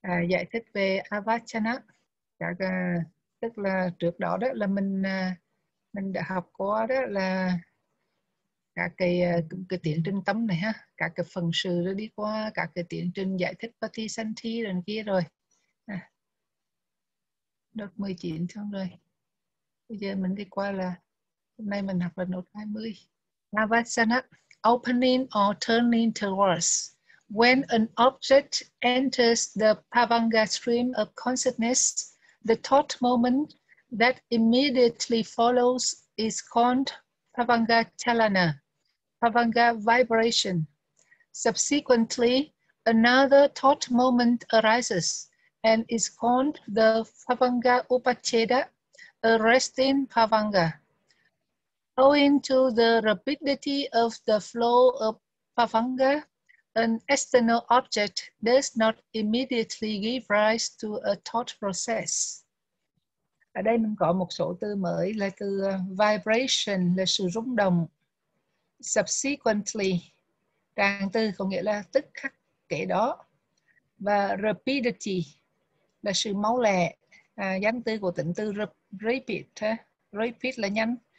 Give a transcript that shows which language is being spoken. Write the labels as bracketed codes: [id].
[vi] Giải thích về Avacchana, tức là trước đó đó là mình đã học có đó là cả cái tiến trình tâm này ha, cả cái phần sự đó đi qua, cả cái tiến trình giải thích Patisanti lần kia rồi. Nốt 19 xong rồi. Bây giờ mình đi qua là hôm nay mình học là nốt 20. [en] Avacchana, opening or turning towards. When an object enters the Pavanga stream of consciousness, the thought moment that immediately follows is called Pavanga Chalana, Pavanga vibration. Subsequently, another thought moment arises and is called the Pavanga Upacheda, a resting Pavanga. Owing to the rapidity of the flow of Pavanga, an external object does not immediately give rise to a thought process. [vi] Ở đây mình có một số từ mới là từ vibration, là sự rung động. Subsequently, tràng từ có nghĩa là tức khắc kể đó. Và rapidity là sự máu lẹ. Danh từ của tính từ rapid. Rapid là nhanh.